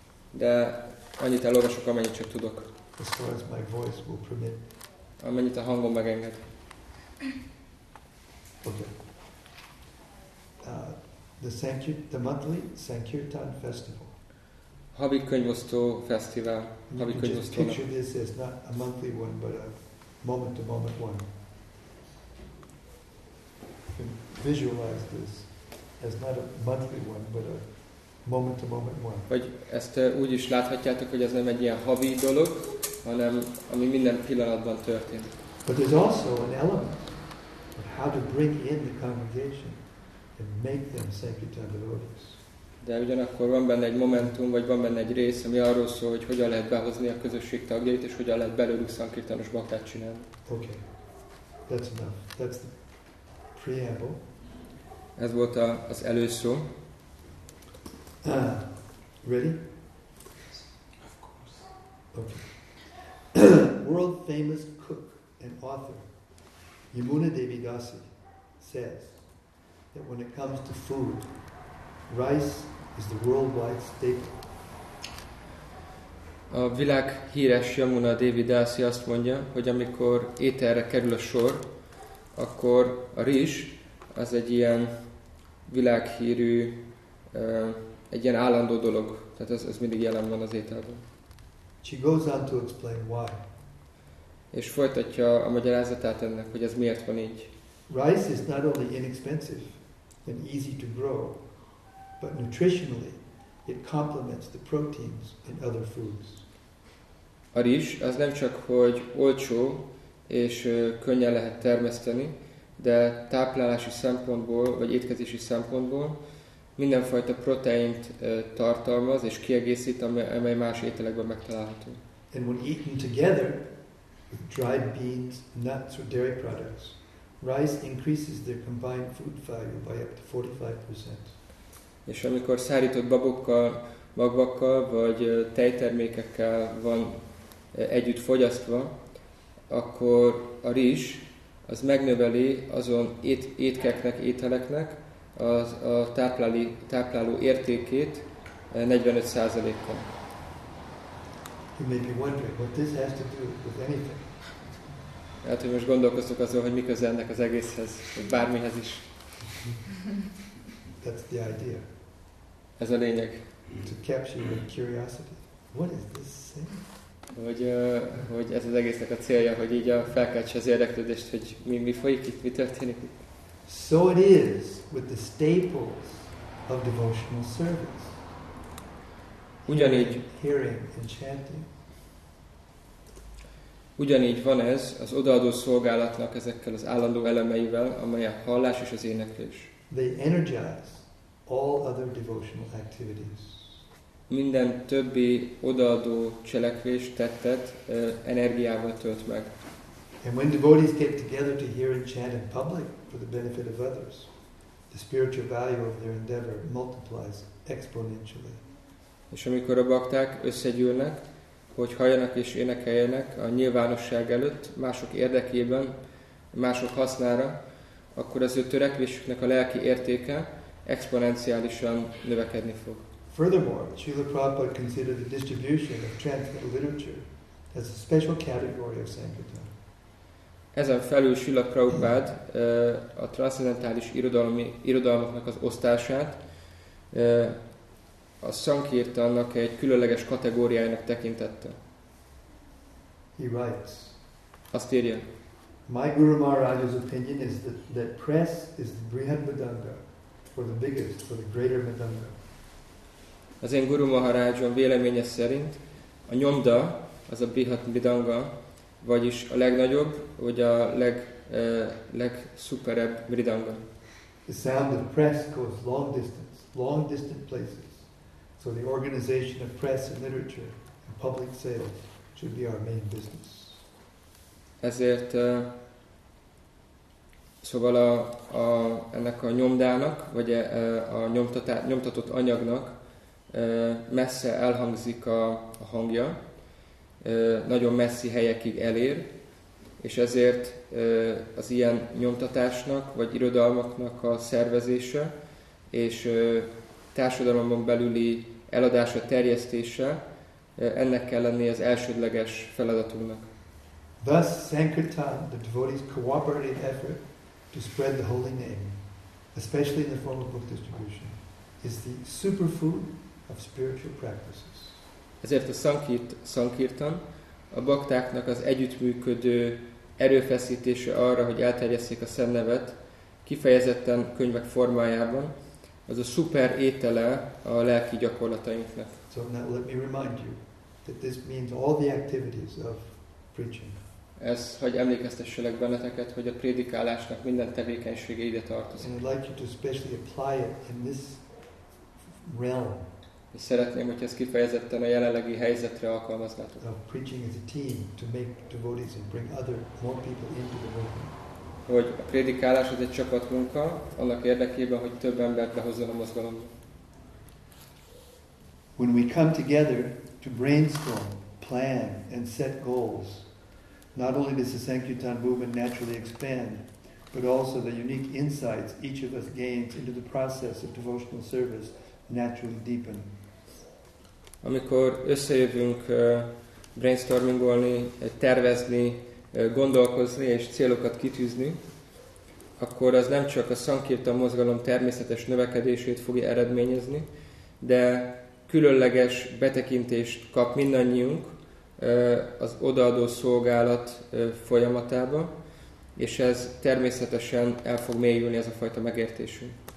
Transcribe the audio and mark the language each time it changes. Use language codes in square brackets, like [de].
[hu] De annyit elolvasok, amennyit csak tudok. [en] As far as my voice will permit. [hu] Amennyit a hangom megenged. [en] Okay. The monthly Sankirtan festival. [hu] Havi könyvosztó fesztivál. Havi könyvosztónak. [en] Picture this as not a monthly one, but a moment-to-moment one. Visualize this as not a monthly one, but a moment-to-moment one. [hu] Vagy ezt úgy is láthatjátok, hogy ez nem egy ilyen havi dolog, hanem ami minden pillanatban történik. [en] But there's also an element of how to bring in the congregation and make them Sankirtan devotees. [hu] De ugyanakkor van benne egy momentum, vagy van benne egy rész, ami arról szól, hogy hogyan lehet behozni a közösség tagjait, és hogyan lehet belőlük szankirtanos baktát csinálni. [en] Okay. That's enough. That's the preamble. [hu] Ez volt az előszó. [en] Ready? Of course. Okay. World famous cook and author Yamuna Devi Dasi says that when it comes to food, rice is the worldwide staple. [hu] A világ híres Yamuna Devi Dasi azt mondja, hogy amikor ételre kerül a sor, akkor a rizs az egy ilyen világhírű, egy ilyen állandó dolog. Tehát ez mindig jelen van az ételben. [en] She goes on to explain why. [hu] És folytatja a magyarázatát ennek, hogy ez miért van így. [en] Rice is not only inexpensive and easy to grow, but nutritionally it complements the proteins in other foods. [hu] A rizs az nem csak hogy olcsó és könnyen lehet termeszteni, de táplálási szempontból vagy étkezési szempontból mindenfajta proteint tartalmaz és kiegészít, amely más ételekben megtalálható. [en] And when eaten together with dried beans, nuts or dairy products, rice increases their combined food value by up to 45%. [hu] És amikor szárított babokkal, magvakkal vagy tejtermékekkel van együtt fogyasztva, akkor a rizs az megnöveli azon ételeknek a tápláló értékét 45%-kal. [en] You may be wondering what this has to do with anything. [hu] Hát, hogy most gondolkoztok azon, hogy mi köze ennek az egészhez, vagy bármihez is. [en] That's the idea. [hu] Ez a lényeg. [en] To capture your curiosity. What is this saying? [hu] Hogy ez az egésznek a célja, hogy így a felkeltse az érdeklődést, hogy mi folyik itt, mi történik itt. [en] So it is with the staples of devotional service. [hu] Ugyanígy. [en] Hearing and chanting. [hu] Ugyanígy van ez az odaadó szolgálatnak ezekkel az állandó elemeivel, amely a hallás és az éneklés. [en] They energize all other devotional activities. [hu] Minden többi odaadó cselekvés tettet energiával tölt meg. [en] And when devotees get together to hear and chant in public for the benefit of others, the spiritual value of their endeavor multiplies exponentially. [hu] És amikor a bakták összegyűlnek, hogy halljanak és énekeljenek a nyilvánosság előtt, mások érdekében, mások hasznára, akkor az ő törekvésüknek a lelki értéke exponenciálisan növekedni fog. [en] Furthermore, Srila Prabhupada considered the distribution of translated literature as a special category of Sankirtan. [hu] Ezen felül Srila Prabhupada a transzcendentális irodalmaknak az osztását a Sankirtannak egy különleges kategóriájának tekintette. [en] He writes. [hu] Azt írja. [en] My Guru Maharaj's opinion is that press is the Brihad Madanga, for the biggest, for the greater Madanga. [hu] Az én Guru Maharajom véleménye szerint a nyomda, az a Brihad Madanga, vagyis a legnagyobb, vagy a legszuperebb Madanga. [en] The sound of press goes long distant places. So the organization of press and literature and public sales should be our main business. [hu] Ezért szóval a ennek a nyomdának, vagy a nyomtatott anyagnak messze elhangzik a hangja, nagyon messzi helyekig elér, És ezért az ilyen nyomtatásnak vagy irodalmaknak a szervezése és társadalomon belüli eladása, terjesztése, ennek kell lenni az elsődleges feladatunknak. [en] Thus Sankirtan, the devotees' cooperative effort to spread the holy name, especially in the form of book distribution, is the superfood of spiritual practices. [hu] Ezért a Sankirtan a baktáknak az együttműködő erőfeszítése arra, hogy elterjesszék a szent nevet, kifejezetten könyvek formájában, az a szuper étele a lelki gyakorlatainknak. [en] So now let me remind you that this means all the activities of preaching. [hu] Ez, hogy emlékeztesselek benneteket, hogy a prédikálásnak minden tevékenysége ide tartozik. [en] And I'd like you to especially apply it in this realm. [hu] És szeretném, hogy ezt kifejezetten a jelenlegi helyzetre alkalmaznátok. [en] Of preaching as a team to make devotees and bring other more people into the movement. [hu] Hogy a prédikálás az egy csapatmunka, annak érdekében, hogy több embert behozzon a mozgalomba. [en] When we come together to brainstorm, plan and set goals, not only does the Sankirtan movement naturally expand, but also the unique insights each of us gains into the process of devotional service naturally deepen. [hu] Amikor összejövünk brainstormingolni, tervezni, gondolkozni és célokat kitűzni, akkor az nem csak a Sankirtan mozgalom természetes növekedését fogja eredményezni, de különleges betekintést kap mindannyiunk az odaadó szolgálat folyamatába, és ez természetesen el fog mélyülni ez a fajta megértésünk.